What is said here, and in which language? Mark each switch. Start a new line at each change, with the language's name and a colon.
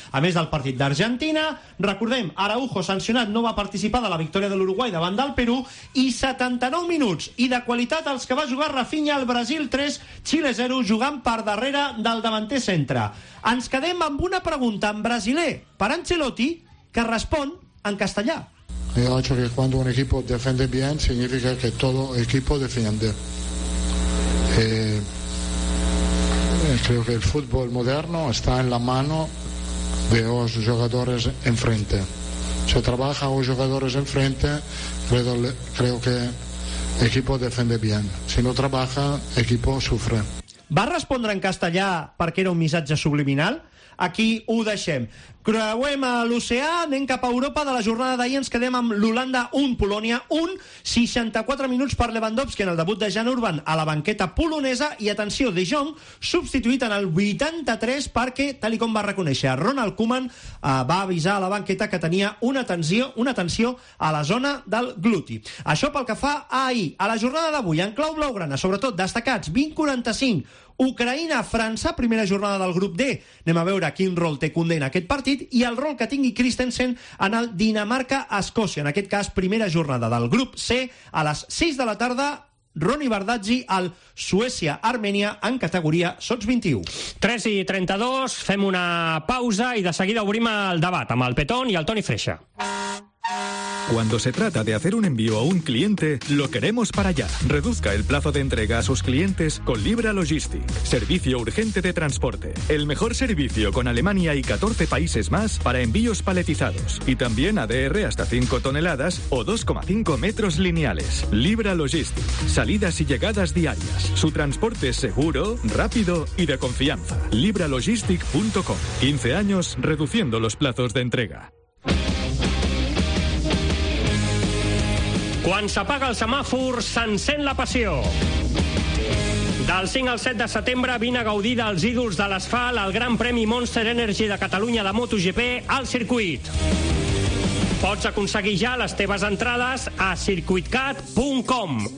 Catalan: A més del partit d'Argentina, recordem, Araujo sancionat no va participar de la victòria de l'Uruguai davant del Perú, i 79 minuts i de qualitat els que va jugar Rafinha al Brasil 3, Xile 0, jugant per darrere del davanter centre. Ens quedem amb una pregunta en brasiler per Ancelotti, que respon en castellà.
Spanish: Yo creo que cuando un equipo defiende bien significa que todo equipo defiende. Creo que el fútbol moderno está en la mano de los jugadores enfrente. Se trabaja los jugadores enfrente, creo que el equipo defiende bien. Si no trabaja, el equipo sufre.
Catalan: Va respondre en castellà perquè era un missatge subliminal? Aquí ho deixem. Creuem a l'oceà, anem cap a Europa. De la jornada d'ahir ens quedem amb l'Holanda 1, Polònia 1. 64 minuts per Lewandowski en el debut de Jan Urban a la banqueta polonesa. I atenció, De Jong substituït en el 83 perquè, tal com va reconèixer Ronald Koeman, va avisar a la banqueta que tenia una tensió a la zona del gluti. Això pel que fa a ahir. A la jornada d'avui, en clau blaugrana, sobretot destacats, 20-45, Ucraïna-França, primera jornada del grup D. Anem a veure quin rol té Koundé en aquest partit i el rol que tingui Christensen en el Dinamarca-Escòcia. En aquest cas, primera jornada del grup C. A les 6 de la tarda, Roni Bardazzi al Suècia-Armènia en categoria sots 21. 3:32, fem una pausa i de seguida obrim el debat amb el Petón i el Toni Freixa.
Spanish: Cuando se trata de hacer un envío a un cliente, lo queremos para allá. Reduzca el plazo de entrega a sus clientes con Libra Logistic, servicio urgente de transporte. El mejor servicio con Alemania y 14 países más para envíos paletizados. Y también ADR hasta 5 toneladas o 2,5 metros lineales. Libra Logistic, salidas y llegadas diarias. Su transporte es seguro, rápido y de confianza. LibraLogistic.com. 15 años reduciendo los plazos de entrega.
Catalan: Quan s'apaga el semàfor, s'encén la passió. Del 5 al 7 de setembre, vine a gaudir dels ídols de l'asfalt al Gran Premi Monster Energy de Catalunya de MotoGP al circuit. Pots aconseguir ja les teves entrades a circuitcat.com.